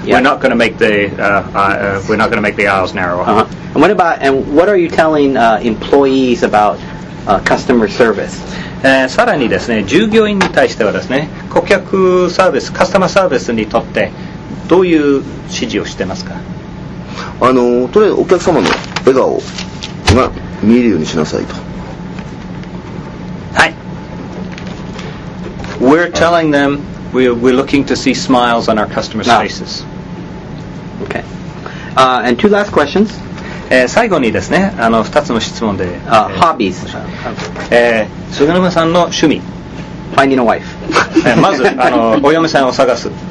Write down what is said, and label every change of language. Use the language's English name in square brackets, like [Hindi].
[English] We're not going to make the we're not going to make the aisles narrower. Uh-huh. And what are you telling employees about customer service? [Japanese] さらにですね、従業員に対してはですね、顧客サービス、カスタマーサービスにとってどういう指示をしてますか。あのとりあえずお客様の笑顔が見えるようにしなさいと。はい。 [English] We're telling them we're looking to see smiles on our customers' faces. Okay. And two last questions. [Japanese] 最後にですね、あの2つの質問で。ハービーズ。菅沼さんの趣味。 [English] Finding a wife。 [Japanese] まずあのお嫁さんを探す。